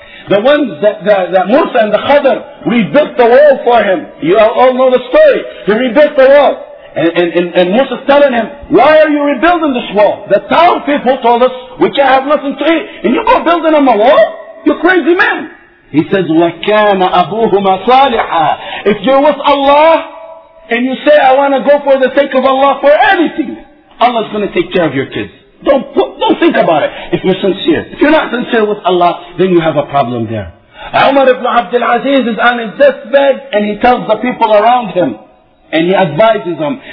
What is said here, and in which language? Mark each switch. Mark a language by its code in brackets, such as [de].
[en] The ones that Musa and the Khadr rebuilt the wall for him. You all know the story. He rebuilt the wall. And Musa's telling him, why are you rebuilding this wall? The town people told us, we can't have nothing to eat. And you go building them a wall? You crazy man. He says, [ar] وَكَانَ أَبُوهُمَا صَالِحًا. [en] If you're with Allah, and you say, I want to go for the sake of Allah for anything, Allah's going to take care of your kids. Don't think about it. If you're sincere. If you're not sincere with Allah, then you have a problem there. Umar ibn Abdul Aziz is on his deathbed and he tells the people around him and he advises them.